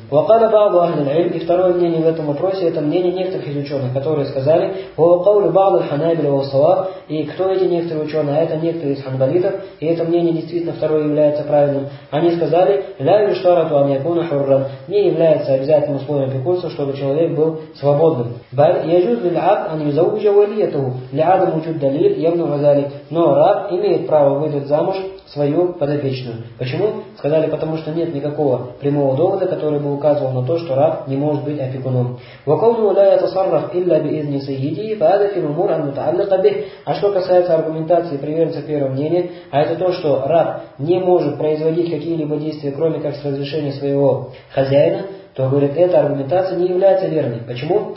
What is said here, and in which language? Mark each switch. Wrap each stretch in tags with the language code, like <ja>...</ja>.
<ar>وَقَالَ بَعْضُ أَهْلِ الْعِلْمِ</ar> <ru>И второе мнение в этом вопросе, это мнение некоторых из ученых, которые сказали,</ru> <ar>وَقَالَ بَعْضُ الْحَنَابِلِ وَالصَّوَابِ</ar> <ru>И кто эти некоторые ученые? Это некоторые из ханбалитов, и это мнение действительно второе является правильным. Они сказали,</ru> <ar>لَا يُشْتَرَطُ أَنْ يَكُونَ حُرًّا</ar> <ru>Не является обязательным условием опекунства, чтобы человек был свободным.</ru> <ar>بَلْ يَجُوزُ لِلْعَبْدِ أَنْ يُزَوِّجَ وَلِيَّتَهُ لِعَدَمِ وُجُودِ دَلِيلٍ يَمْنَعُ ذَلِكَ</ar> <ru>Но раб имеет право выдать замуж свою подопечную. Почему? Сказали, потому что нет никакого прямого довода, который бы указывал на то, что раб не может быть опекуном.</ru> <ar>وَقَوْلُهُ لَا يَتَصَرَّفُ إِلَّا بِإِذْنِ سَيِّدِهِ فَهَذَا الْأُمُورُ الْمُتَعَلِّقَةُ بِهِ</ar> <ru>А что касается аргументации приверженца первого мнения, а это то, что раб не может производить какие-либо действия, кроме как с разрешения своего хозяина, то, говорит, эта аргументация не является верной. Почему?</ru>